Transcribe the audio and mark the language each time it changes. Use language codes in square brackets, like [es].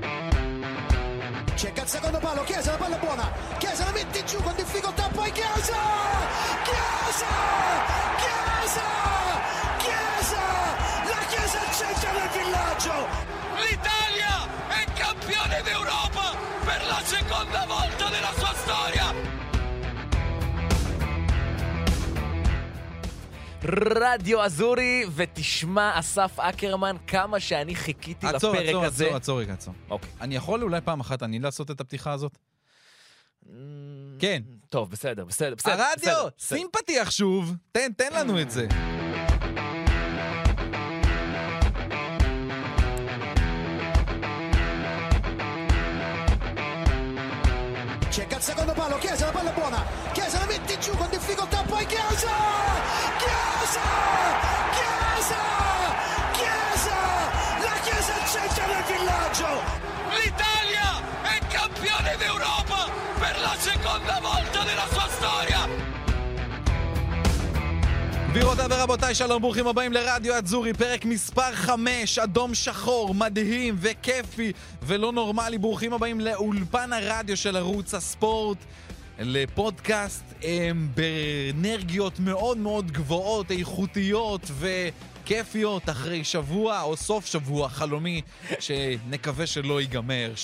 [it] palo, Chiesa, la palla buona, Chiesa la mette giù con difficoltà, poi Chiesa! Chiesa! Chiesa! Chiesa! La Chiesa al centro del villaggio! L'Italia è campione d'Europa per la seconda volta nella sua storia! [he] רדיו אזורי, ותשמע אסף אקרמן כמה שאני חיכיתי עצור, לפרק עצור, הזה. עצור. אוקיי. אני יכול אולי פעם אחת אני לעשות את הפתיחה הזאת? כן. טוב, בסדר. הרדיו, סימפתי עכשיו, תן לנו את זה. [it] Checa il secondo palo, Chiesa, la palla buona. Chiesa la mette giù con difficoltà, poi Chiesa! Chiesa! Chiesa! Chiesa! La Chiesa al centro del villaggio! L'Italia è campione d'Europa per la seconda volta nella sua storia! [he] גבירותיי ורבותיי, שלום, ברוכים הבאים לרדיו אזורי, פרק מספר 5, אדום שחור, מדהים וכיפי ולא נורמלי. ברוכים הבאים לאולפן הרדיו של ערוץ הספורט, לפודקאסט באנרגיות מאוד מאוד גבוהות, איכותיות וכיפיות, אחרי שבוע או סוף שבוע חלומי שנקווה שלא ייגמר.